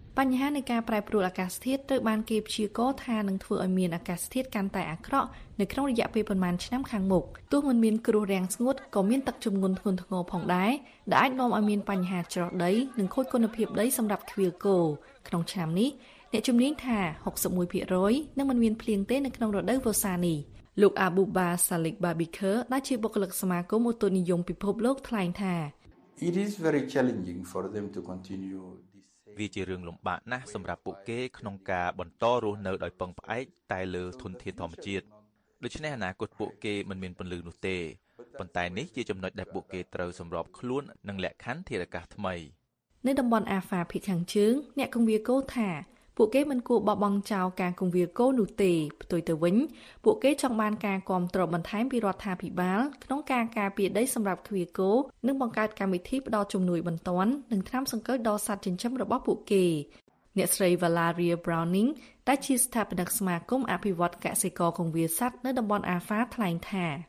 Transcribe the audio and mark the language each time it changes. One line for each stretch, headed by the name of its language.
Khmer: បញ្ហានៃការប្រែប្រួលអាកាសធាតុត្រូវបានគេព្យាករថានឹងធ្វើឲ្យមានអាកាសធាតុកាន់តែអាក្រក់នៅក្នុងរយៈពេលប្រហែលឆ្នាំខាងមុខទោះមិនមានគ្រោះរាំងស្ងួតក៏មានទឹកជំនន់ធ្ងន់ធ្ងរផងដែរដែលអាចនាំឲ្យមានបញ្ហាច្រោះដីនិងខូចគុណភាពដីសម្រាប់ឃ្វាលគោក្នុងឆ្នាំនេះអ្នកជំនាញថា 61% នឹងមិនមានភ្លៀងទេនៅក្នុងរដូវវស្សានេះលោកអាប៊ូបាសាលិកបាប៊ីខឺដែលជាបុគ្គលិកសមាគមឧតុនិយមពិភពលោកថ្លែងថា
English: It is very challenging for them to continue this same
Khmer: វាជារឿងលំបាកណាស់សម្រាប់ពួកគេក្នុងការបន្តរស់នៅដោយពឹងផ្អែកតែលើធនធានធម្មជាតិដូច្នេះអនាគតពួកគេមិនមានពន្លឺនោះទេប៉ុន្តែនេះជាចំណុចដែលពួកគេត្រូវសម្របខ្លួននឹងលក្ខខណ្ឌធារកាសថ្មី នៅតំបន់អាហ្វាភីខាងជើងអ្នកគង្វាលកោថាពួកគេមិនគួរបោះបង់ចោលការគង្វាលកោនោះទេផ្ទុយទៅវិញពួកគេចង់បានការគាំទ្របន្ថែមពីរដ្ឋាភិបាលក្នុងការការពារដីសម្រាប់គង្វាលកោនិងបង្កើតកម្មវិធីផ្តល់ជំនួយបន្ទាន់និងថ្នាំសង្កូវដល់សត្វចិញ្ចឹមរបស់ពួកគេអ្នកស្រី Valeria Browning ដែលជាស្ថាបនិកសមាគមអភិវឌ្ឍកសិករគង្វាលសត្វនៅតំបន់អាហ្វាថ្លែងថា